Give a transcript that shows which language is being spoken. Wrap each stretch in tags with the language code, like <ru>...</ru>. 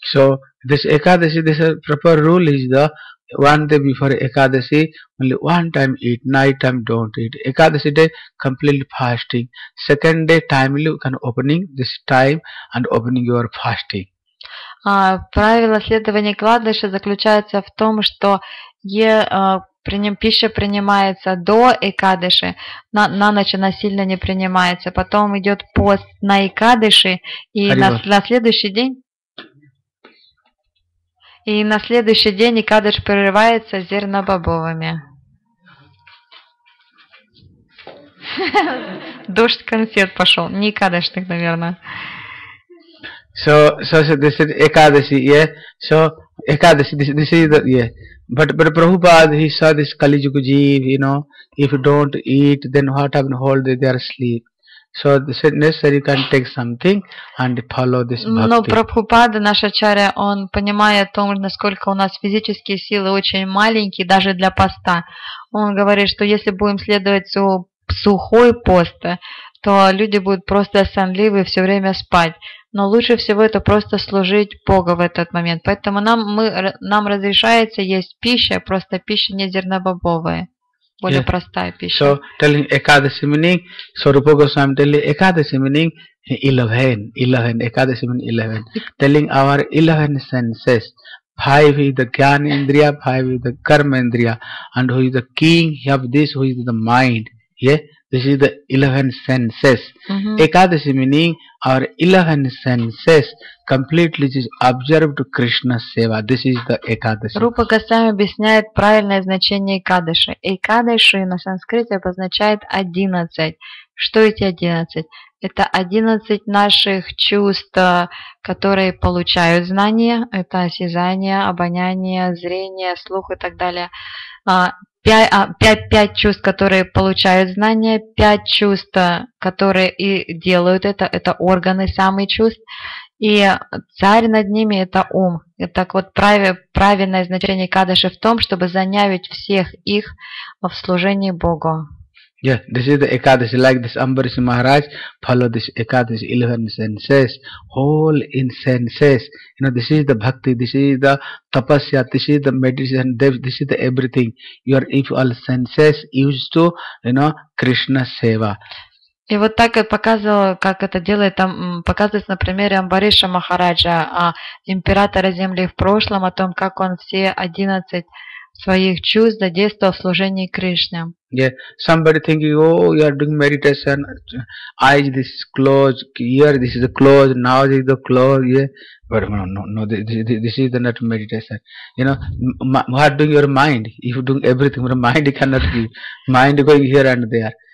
<en>So this Ekadasi, this proper rule is the one day before Ekadasi, only one time eat, night time don't eat. Ekadasi day completely fasting. Second day timely you can opening this time and opening your fasting.</en> <ru>Правило следования Экадаши заключается в том, что пища принимается до Экадаши, на ночь она сильно не принимается, потом идет пост на Экадаши, и на следующий день Экадаш прерывается зернобобовыми. Дождь конфет пошел, не Экадашных, наверное.</ru> <en>So this is Ekadasi, yeah. So Ekadasi, this is the, yeah. But Prabhupada, he saw this Kali Yuga Jeev, you know, if you don't eat, then what happened? Whole day they are asleep. So this is necessary, you can take something and follow this bhakti.</en> <ru>Но Прабхупада, наш ачарья, он понимает о том, насколько у нас физические силы очень маленькие, даже для поста. Он говорит, что если будем следовать сухой пост, то люди будут просто сонливы и все время спать. Но лучше всего это просто служить Богу в этот момент. Поэтому нам разрешается есть пища, просто пища не зернобобовая, более простая пища.</ru> <en>So telling Ekadasi meaning, so Rupa Goswami telling Ekadasi meaning 11, Ekadasi meaning 11. Telling our 11 senses, 5 is the Gyan Indriya, 5 is the Karma Indriya, and who is the king of this, who is the mind, yeah? This is the 11 senses. Mm-hmm. Ekadasi meaning our 11 senses completely is observed Krishna Seva. This is the Ekadasi.</en> <ru>Rupa Goswami объясняет правильное значение Экадаши. Экадаши на санскрите обозначает 11. Что эти 11? Это 11 наших чувств, которые получают знания. Это осязание, обоняние, зрение, слух и так далее. 5 чувств, которые получают знания, 5 чувств, которые и делают это органы, самые чувств, и царь над ними – это ум. И так вот, правильное значение Экадаши в том, чтобы занявить всех их в служении Богу.</ru> <en>Yeah, this is the Ekadasi, like this Ambarish Maharaj follow this Ekadasi, 11 senses, whole in senses. You know, this is the bhakti, this is the tapasya, this is the meditation, this is the everything. Your if all senses used to, you know, Krishna Seva.</en> <ru>И вот так и показывал, как это делает, там показывается на примере Амбариша Махараджа, императора Земли в прошлом, о том, как он все 11 своих чувств задействовал в служении Кришне.</ru> <en>Yeah, somebody thinking, oh, you are doing meditation, eyes this is closed, ear this is closed, now this is the closed, yeah. But no, this is the not meditation. You know, what doing your mind? If you doing everything, your mind cannot be. Mind going here and there.</en>